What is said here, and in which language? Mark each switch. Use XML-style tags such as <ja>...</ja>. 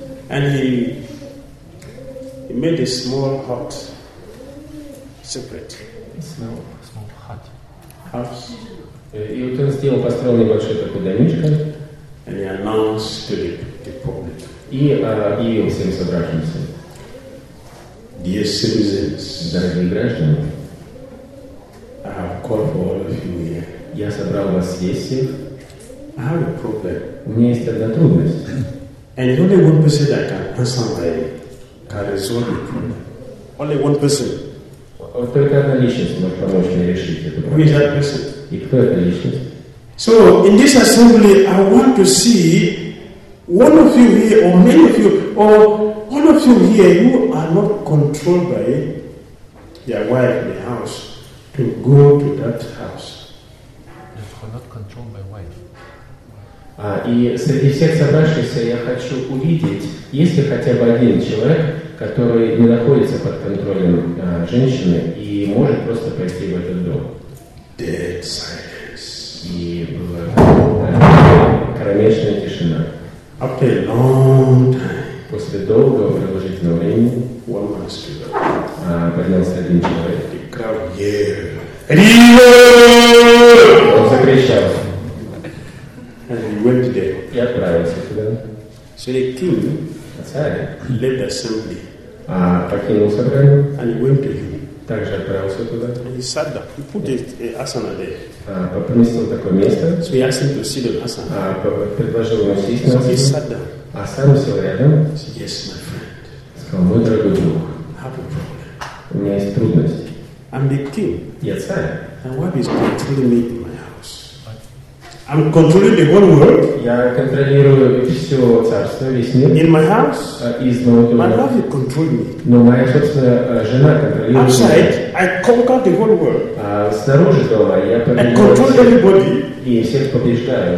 <en>And he made a small hut separate. Small hut. House.</en> <ru>И вот он сделал, построил небольшой такой домишко.</ru> <en>And he announced to the public.</en> <ru>И объявил всем собравшимся.</ru> <en>Dear citizens,</en> <ru>дорогие граждане,</ru> <en>I have called for all of you here.</en> <ru>Я собрал вас здесь всех.</ru> <en>I have a problem.</en> <ru>У меня есть одна трудность.</ru> <en>And only one person that can personally can resolve the problem. Only one person.</en> <ru>Вот только одна личность может помочь мне решить эту проблему.</ru> <en>Who is that person?</en> <ru>И кто эта личность?</ru> <en>So in this assembly, I want to see one of you here, or many of you, or all of you here, you are not controlled by your wife in the house to go to that house. You are not controlled by wife.</en> <ru>И среди всех собравшихся я хочу увидеть, есть ли хотя бы один человек, который не находится под контролем женщины и может просто пойти в этот дом.</ru> <en>Dead silence.</en> <ru>И была кромешная тишина.</ru> <en>After a long time,</en> <ru>после долгого продолжительного времени,</ru> <en>one man stood up.</en> <ru>Поднялся один человек.</ru> <en>The crowd yelled.</en> <ru>Он закричал.</ru> <en>And he went there.</en> <ru>И отправился туда.</ru> <en>So the king,</en> <ru>царь,</ru> <en>led the assembly.</en> <ru>Покинул собрание.</ru> <en>And he went to him.</en> <ru>Также отправился туда.</ru> <en>And he sat down. He put his asana there.</en> <ru>Поместил такое место.</ru> <en>So he asked him to sit on asana.</en> <ru>Предложил ему сесть.</ru> <en>So he sat down.</en> <ru>А сам сел рядом.</ru> <en>So yes, my friend.</en> <ru>Сказал, мой дорогой друг.</ru> <en>I have a problem.</en> <ru>У меня есть трудность.</ru> <en>I'm the king.</en> <ru>Я царь.</ru> <en>And what is controlling me in my house? I'm controlling the whole world.</en> <ru>Я контролирую все царство, весь мир.</ru> <en>In my house.</en> <ru>Из моего дома.</ru> <en>My wife controls me.</en> <ru>Но моя собственная жена контролирует меня.</ru> <en>Outside, I conquer the whole world.</en> <ru>Снаружи дома я победил.</ru> <en>I control everybody.</en> <ru>И всех побеждаю.</ru>